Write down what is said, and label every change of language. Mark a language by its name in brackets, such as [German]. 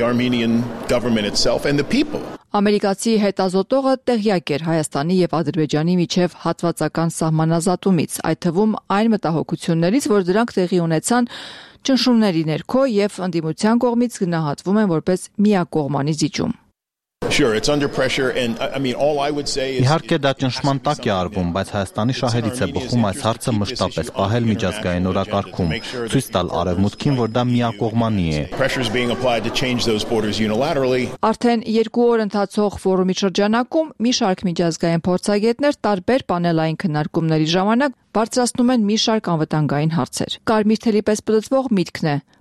[Armenian] Ամերիկացի հետազոտողը տեղյակ էր Հայաստանի և Ադրբեջանի միջև հատվածական սահմանազատումից, այդ թվում այն մտահոգություններից, որ դրանք տեղի ունեցան ճնշումների ներքո և ընդդիմության կողմից գնահատվում են որպես միակողմանի զիջում։ [English] Sure, it's under pressure and I mean all I would say is [Armenian] Իհարկե դա ճնշման տակ է արվում, բայց Հայաստանի շահերից է բխում այս հարցը մշտապես պահել միջազգային օրակարգում, ցույց տալ արևմուտքին, որ դա միակողմանի է։ Արդեն 2 օր ընթացող ֆորումի շրջանակում մի շարք միջազգային փորձագետներ տարբեր պանելային քննարկումների ժամանակ բարձրացնում են մի շարք անվտանգային հարցեր։ Կարմիր թելի պես պատծվող միտքն է.